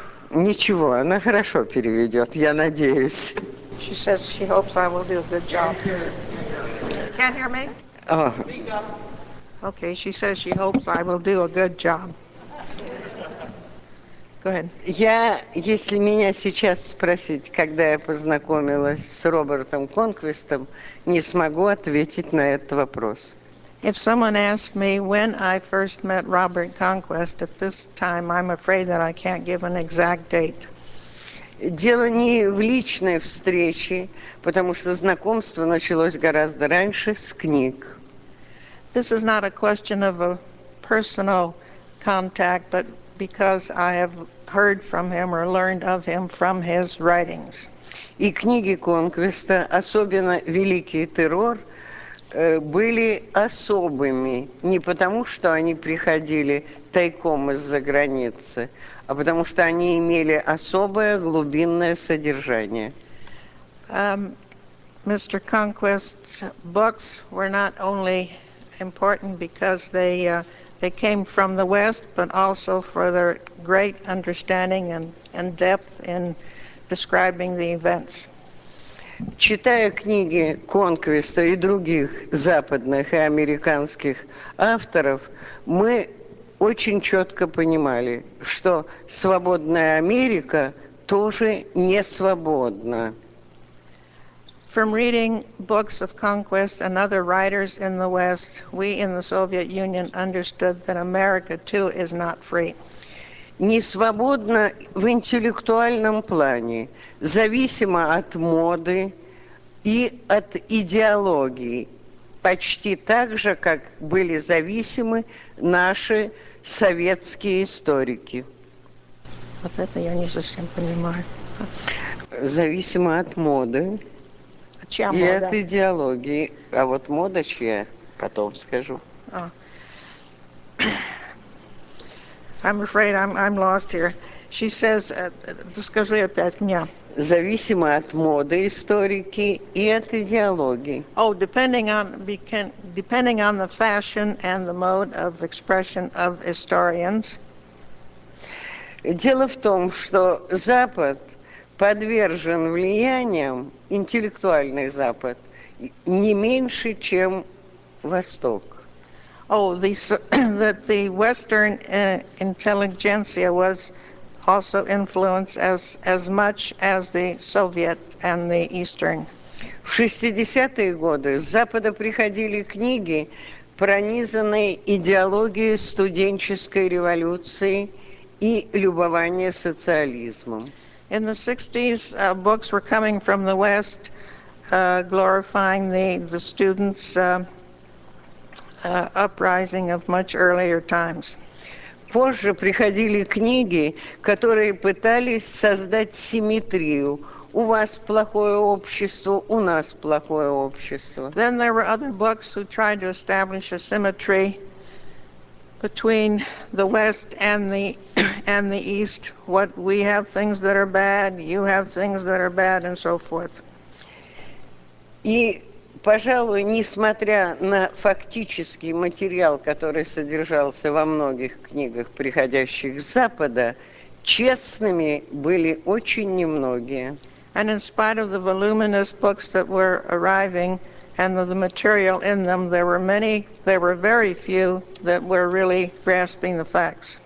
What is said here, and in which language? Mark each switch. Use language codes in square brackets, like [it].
[ru] Ничего, она хорошо переведет, я надеюсь. [en] She says she hopes I will do a good job. Can't hear me? Okay, she says she hopes I will do a good job. Go ahead. [ru] Я, если меня сейчас спросить, когда я познакомилась с Робертом Конквистом, не смогу ответить на этот вопрос. [en] If someone asked me when I first met Robert Conquist, at this time I'm afraid that I can't give an exact date. [ru] Дело не в личной встрече, потому что знакомство началось гораздо раньше с книг. [en] This is not a question of a personal contact, but because I have heard from him or learned of him from his writings. [ru] И книги Конквиста, особенно «Великий террор», были особыми не потому, что они приходили тайком из-за границы, а потому что они имели особое глубинное содержание. [en] Mr. Conquest's books were not only important because they came from the West, but also for their great understanding and depth in describing the events. [ru] Читая книги Конквиста и других западных и американских авторов, мы очень четко понимали, что свободная Америка тоже не свободна. [en] From reading books of Conquest and other writers in the West, we in the Soviet Union understood that America too is not free. [ru] Не свободна в интеллектуальном плане, зависима от моды и от идеологии, почти так же, как были зависимы наши советские историки. Вот это я не совсем понимаю. Зависимо от моды. Чья и мода? От идеологии. А вот мода чья, потом скажу. [en] I'm afraid I'm lost here. She says, [ru] скажи опять мне. Зависимо от моды историки и от идеологии. [en] Oh, depending on the fashion and the mode of expression of historians. [ru] Дело в том, что Запад подвержен влияниям, интеллектуальный Запад, не меньше, чем Восток. [en] That the Western intelligentsia was also influence as much as the Soviet and the Eastern. [ru] В 60-е годы с Запада приходили книги, пронизанные идеологией студенческой революции и любования социализмом. [en] In the 60s, books were coming from the West, glorifying the students' uprising of much earlier times. [ru] Позже приходили книги, которые пытались создать симметрию. У вас плохое общество, у нас плохое общество. [en] Then there were other books who tried to establish a symmetry between the West and the East. What we have things that are bad, you have things that are bad, and so forth. [ru] И, пожалуй, несмотря на фактический материал, который содержался во многих книгах, приходящих с Запада, честными были очень немногие. [en] And in spite of the voluminous books that were arriving and the material in them, there were very few that were really grasping the facts.